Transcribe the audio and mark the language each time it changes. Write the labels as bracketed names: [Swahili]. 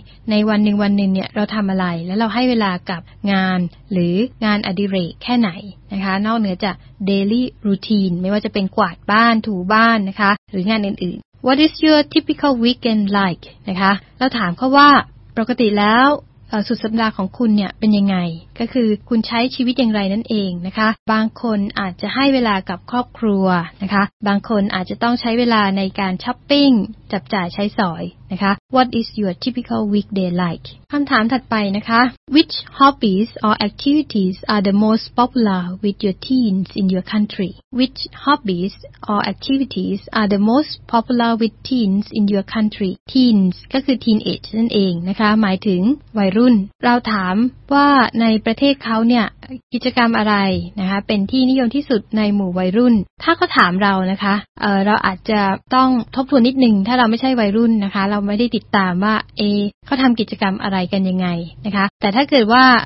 [Thai] ในวันหนึ่งเนี่ยเราทำอะไรแล้วเราให้เวลากับงานหรืองานอดิเรกแค่ไหนนะคะนอกเหนือจาก daily routine ไม่ว่าจะเป็นกวาดบ้านถูบ้านนะคะหรืองานอื่นๆ [English] What is your typical weekend like [Thai] นะคะเราถามเขาว่าปกติแล้วสุดสัปดาห์ของคุณเนี่ยเป็นยังไงก็คือคุณใช้ชีวิตอย่างไรนั่นเองนะคะบางคนอาจจะให้เวลากับครอบครัวนะคะบางคนอาจจะต้องใช้เวลาในการช้อปปิ้ง จับจ่ายใช้สอยนะคะ [English] What is your typical weekday like? [Thai] คำถามถัดไปนะคะ [English] Which hobbies or activities are the most popular with your teens in your country? Which hobbies or activities are the most popular with teens in your country? [Thai] Teens ก็คือ teenage นั่นเองนะคะหมายถึงวัยรุ่นเราถามว่าในประเทศเขาเนี่ยกิจกรรมอะไรนะคะเป็นที่นิยมที่สุดในหมู่วัยรุ่นถ้าเขาถามเรานะคะ เราอาจจะต้องทบทวนนิดนึงถ้าเราไม่ใช่วัยรุ่นนะคะเราไม่ได้ติดตามว่าเขาทำกิจกรรมอะไรกันยังไงนะคะแต่ถ้าเกิดว่า